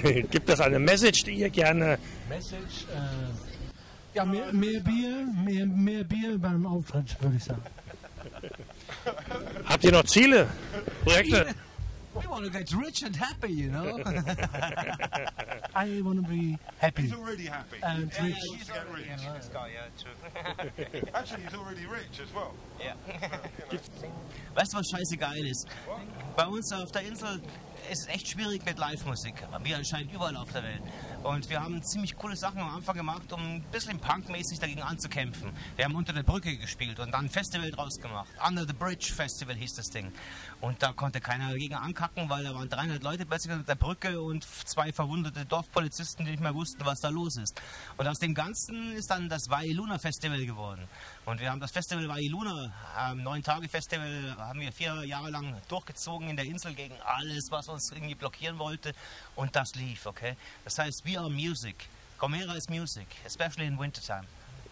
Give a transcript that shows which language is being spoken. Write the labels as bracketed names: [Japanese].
[German] Gibt es eine Message, die ihr gerne... Message? Ja, mehr Bier beim Auftritt, würde ich sagen. Habt ihr noch Ziele? Projekte? [English] We want to get rich and happy, you know? I want to be happy. He's already happy. And yeah, rich. He's already rich. Yeah, right. This guy, yeah, true. Actually, he's already rich as well. Yeah. [German] Weißt du, was scheiße geil ist? Bei uns auf der Insel... Es ist echt schwierig mit Live-Musik, wie anscheinend überall auf der Welt. Und wir haben ziemlich coole Sachen am Anfang gemacht, um ein bisschen punkmäßig dagegen anzukämpfen. Wir haben unter der Brücke gespielt und dann ein Festival draus gemacht. Under the Bridge Festival hieß das Ding. Und da konnte keiner dagegen ankacken, weil da waren 300 Leute plötzlich unter der Brücke und 2 verwundete Dorfpolizisten, die nicht mehr wussten, was da los ist. Und aus dem Ganzen ist dann das Vailuna Festival geworden. Und wir haben das Festival Vailuna, 9-Tage-Festival, haben wir 4 Jahre lang durchgezogen in der Insel gegen alles, was uns irgendwie blockieren wollte. Und das lief, okay? Das heißt, [English] we are music. Gomera is music, especially in wintertime.